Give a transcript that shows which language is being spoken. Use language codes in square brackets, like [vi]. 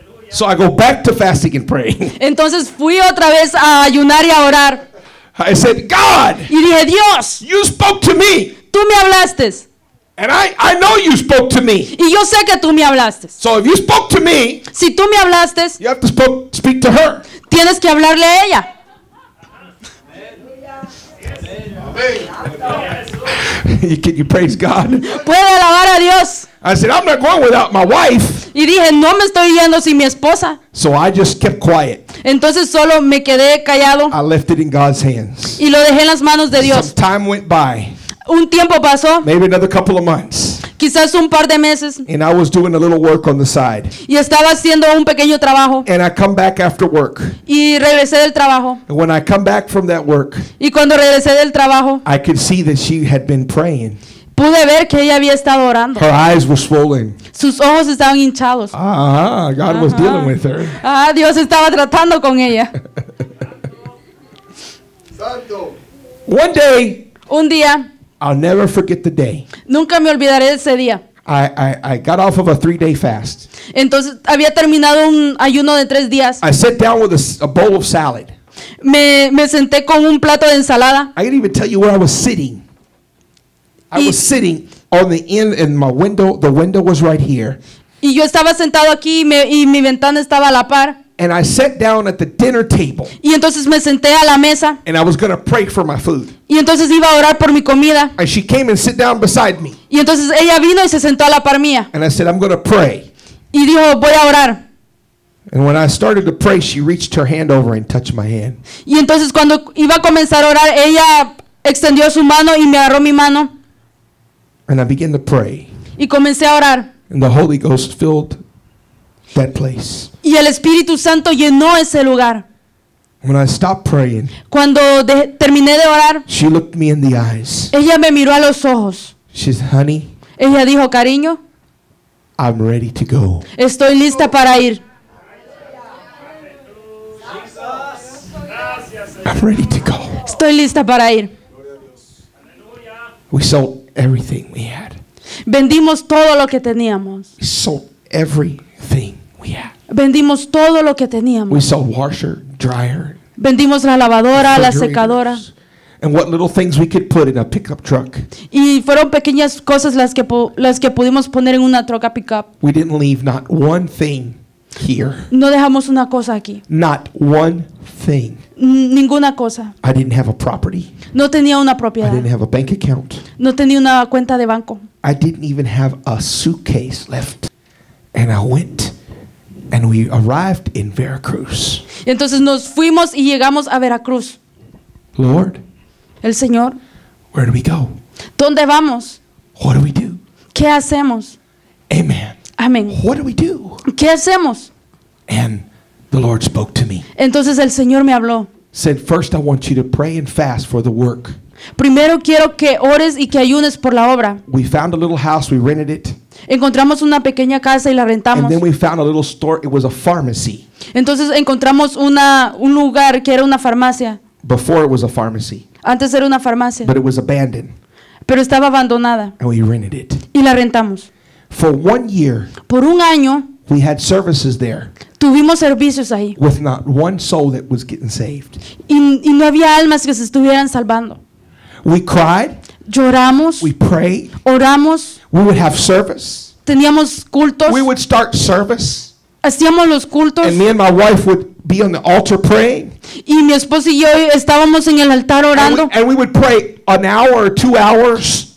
[en] So I go back to fasting and praying. [es] Entonces fui otra vez a ayunar y a orar. [en] I said, "God." [es] Y dije, "Dios." [en] "You spoke to me." [es] Tú me hablaste. [en] "And I know you spoke to me." [es] Y yo sé que tú me hablaste. [en] "So if you spoke to me." [es] Si tú me hablaste. [en] "You have to speak to her." [es] Tienes que hablarle a ella. [en] Can you praise God? [es] Puedo alabar a Dios. [en] I said, "I'm not going without my wife." [es] Y dije, no me estoy yendo sin mi esposa. [en] So I just kept quiet. [es] Entonces solo me quedé callado. [en] I left it in God's hands. [es] Y lo dejé en las manos de Dios. [en] Some time went by. [es] Un tiempo pasó. [en] Maybe another couple of months. [es] Quizás un par de meses. [en] And I was doing a little work on the side. [es] Y estaba haciendo un pequeño trabajo. [en] And I come back after work. [es] Y regresé del trabajo. [en] And when I come back from that work, [es] y cuando regresé del trabajo, [en] I could see that she had been praying. [es] Pude ver que ella había estado orando. [en] Her eyes were swollen. [es] Sus ojos estaban hinchados. [en] Ah, God was dealing with her. [es] Ah, Dios estaba tratando con ella. [en] Santo. One day. [es] Un día. [en] I'll never forget the day. [es] Nunca me olvidaré ese día. [en] I got off of a 3-day fast. [es] Entonces había terminado un ayuno de 3 días. [en] I sat down with a bowl of salad. [es] Me senté con un plato de ensalada. [en] I can't even tell you where I was sitting. I was sitting on the end in my window. The window was right here. [es] Y yo estaba sentado aquí y mi ventana estaba a la par. [en] And I sat down at the dinner table. [es] Y entonces me senté a la mesa. [en] And I was going to pray for my food. [es] Y entonces iba a orar por mi comida. [en] And she came and sat down beside me. [es] Y entonces ella vino y se sentó a la par mía. [en] And I said, I'm going to pray. [es] Y dijo, voy a orar. [en] And when I started to pray, she reached her hand over and touched my hand. [es] Y entonces cuando iba a comenzar a orar, ella extendió su mano y me agarró mi mano. [en] And I began to pray. [es] Y comencé a orar. [en] And the Holy Ghost filled that place. [es] Y el Espíritu Santo llenó ese lugar. [en] When I stopped praying, [es] cuando terminé de orar, [en] she looked me in the eyes. [es] Ella me miró a los ojos. [en] She said, "Honey." [es] Ella dijo, cariño. [en] I'm ready to go. [es] Estoy lista para ir. [en] I'm ready to go. [es] Estoy lista para ir. [en] We sold everything we had. [es] Vendimos todo lo que teníamos. [en] We sold everything we had. [es] Vendimos todo lo que teníamos. [en] We sold washer, dryer. [es] Vendimos la lavadora, la secadora. [en] And what little things we could put in a pickup truck. [es] Y fueron pequeñas cosas las que pudimos poner en una troca pickup. [en] We didn't leave not one thing here. [es] No dejamos una cosa aquí. [en] Not one thing. [es] Ninguna cosa. [en] I didn't have a property. [es] No tenía una propiedad. [en] I didn't have a bank account. [es] No tenía una cuenta de banco. [en] I didn't even have a suitcase left. And I went. And we arrived in Veracruz. [es] Entonces nos fuimos y llegamos a Veracruz. [en] Lord. [es] El Señor. [en] Where do we go? [es] ¿Dónde vamos? [en] What do we do? [es] ¿Qué hacemos? [en] Amen. [es] Amen. [en] What do we do? [es] ¿Qué hacemos? [en] And the Lord spoke to me. [es] Entonces el Señor me habló. [en] Said, first I want you to pray and fast for the work. [es] Primero quiero que ores y que ayunes por la obra. [en] We found a little house, we rented it. [es] Encontramos una pequeña casa y la rentamos. [en] And then we found a little store, it was a pharmacy. [es] Entonces encontramos un lugar que era una farmacia. [en] Before it was a pharmacy. [es] Antes era una farmacia. [en] But it was abandoned. [es] Pero estaba abandonada. [en] And we rented it. [es] Y la rentamos. [en] For 1 year. [es] Por un año. [en] We had services there. [es] Tuvimos servicios ahí. [en] With not one soul that was getting saved. [es] Y no había almas que se estuvieran salvando. [en] We cried. [es] Lloramos. [en] We prayed. [es] Oramos. [en] We would have service. [es] Teníamos cultos. [en] We would start service. [es] Hacíamos los cultos. [en] And me and my wife would be on the altar praying. [es] Y mi esposo y yo estábamos en el altar orando. [en] And we would pray an hour or 2 hours.